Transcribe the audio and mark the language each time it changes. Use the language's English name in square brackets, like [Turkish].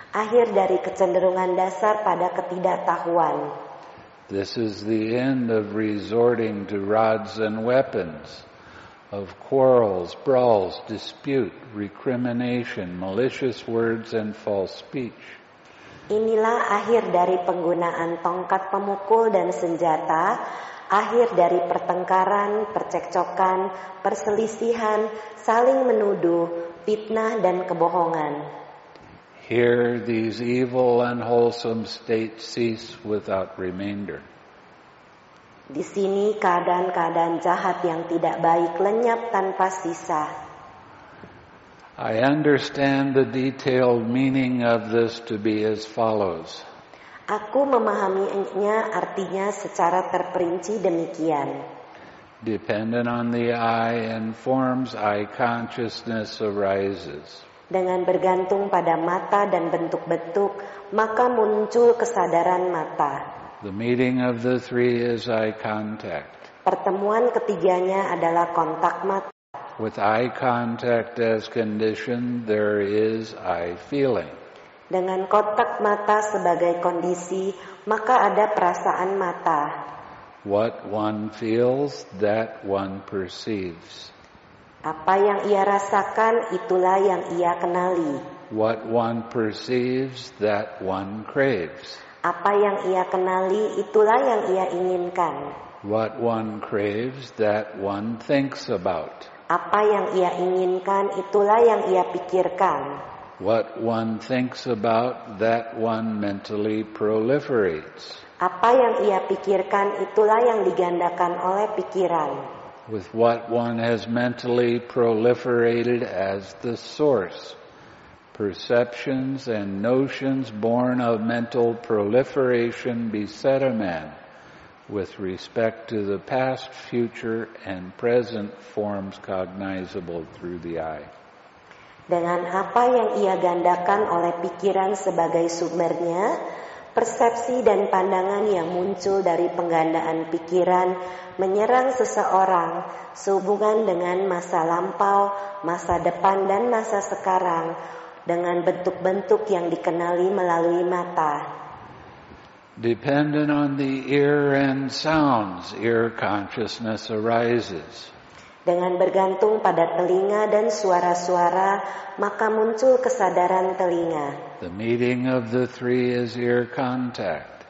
[Indonesian] Akhir dari kecenderungan dasar pada ketidaktahuan. [English] This is the end of resorting to rods and weapons, of quarrels, brawls, dispute, recrimination, malicious words, and false speech. [Indonesian] Inilah akhir dari penggunaan tongkat pemukul dan senjata, akhir dari pertengkaran, percekcokan, perselisihan, saling menuduh, fitnah, dan kebohongan. [English] Here these evil and wholesome states cease without remainder. [Indonesian] Di sini keadaan-keadaan jahat yang tidak baik lenyap tanpa sisa. [English] I understand the detailed meaning of this to be as follows. [Indonesian] Aku memahaminya artinya secara terperinci demikian. [English] Dependent on the eye and forms, eye consciousness arises. [Indonesian] Dengan bergantung pada mata dan bentuk-bentuk, maka muncul kesadaran mata. [English] The meeting of the three is eye contact. [Indonesian] Pertemuan ketiganya adalah kontak mata. [English] With eye contact as condition, there is eye feeling. [Indonesian] Dengan kontak mata sebagai kondisi, maka ada perasaan mata. [English] What one feels, that one perceives. [Indonesian] Apa yang ia rasakan, itulah yang ia kenali. [English] What one perceives, that one craves. [Indonesian] Apa yang ia kenali, itulah yang ia inginkan. [English] What one craves, that one thinks about. [Indonesian] Apa yang ia inginkan, itulah yang ia pikirkan. [English] What one thinks about, that one mentally proliferates. [Indonesian] Apa yang ia pikirkan, itulah yang digandakan oleh pikiran. [English] With what one has mentally proliferated as the source, perceptions and notions born of mental proliferation beset a man with respect to the past, future, and present forms cognizable through the eye. [Indonesian] Dengan apa yang ia gandakan oleh pikiran sebagai sumbernya, persepsi dan pandangan yang muncul dari penggandaan pikiran menyerang seseorang sehubungan dengan masa lampau, masa depan, dan masa sekarang dengan bentuk-bentuk yang dikenali melalui mata. [English] Dependent on the ear and sounds, ear consciousness arises. [Indonesian] Dengan bergantung pada telinga dan suara-suara, maka muncul kesadaran telinga. [English] The meeting of the three is ear contact.